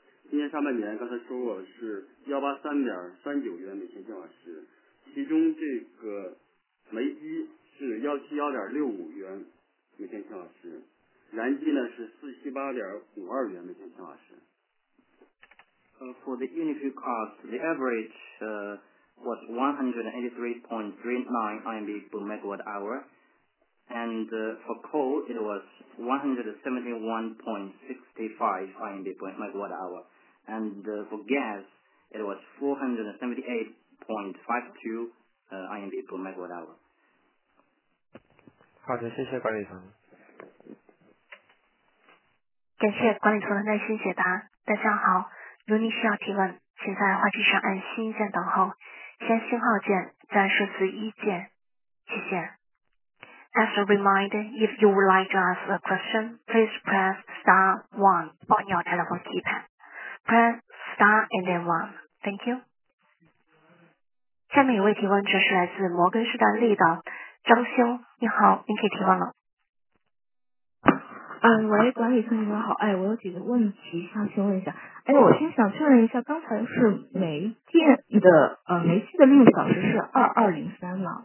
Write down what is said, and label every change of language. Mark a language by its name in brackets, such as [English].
[Chinese] 今年上半年刚才说过是183.39元每千千瓦时，其中这个煤机是171.65元每千千瓦时，燃机呢是478.52元每千千瓦时。 [English] For the unit fuel cost, the average was 183.39 RMB per megawatt hour, and for coal it was 171.65 RMB per megawatt hour. And for gas, it was 478.52 RMB per megawatt hour. [Chinese] 好的，谢谢管理层。感谢管理层的耐心解答。大家好，如您需要提问，请在话机上按星一键等候，先星号键，再数字一键。谢谢。 [English] As a reminder, if you would like to ask a question, please press star 1 on your telephone keypad. Press star and then one. Thank you. [Chinese] 下面一位提问者是来自摩根士丹利的张兄，你好，您可以提问了。嗯，喂，管理层你们好，哎，我有几个问题想请问一下，哎，我先想确认一下，刚才是煤电的煤气的利用率表示是2203吗？